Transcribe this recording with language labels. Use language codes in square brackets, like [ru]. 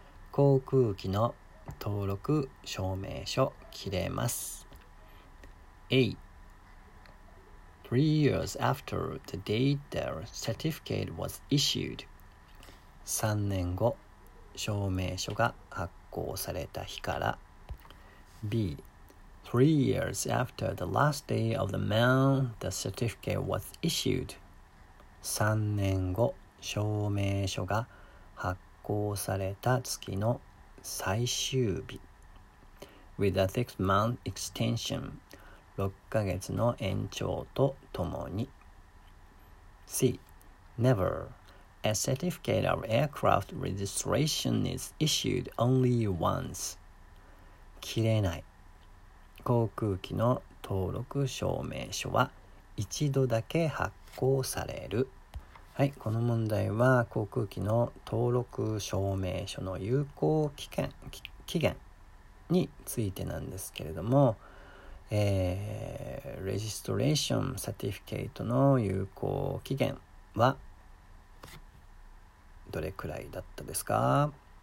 [ja] 航空機の登録証明書切れます。 [en] A. 3 years after the date the certificate was issued. [ja] 3年後、証明書が発行された日から。 [en] B. 3 years after the last day of the month the certificate was issued. [ja] 3年後、証明書が発行された月の最終日。 [en] With a 6-month extension. [ja] 6ヶ月の延長とともに。 [en] C. Never. A certificate of aircraft registration is issued only once. [ja] 切れない。航空機の登録証明書は一度だけ発行される。はい、この問題は航空機の登録証明書の有効期限についてなんですけれども、レジストレーションサティフィケートの有効期限はどれくらいだったですか？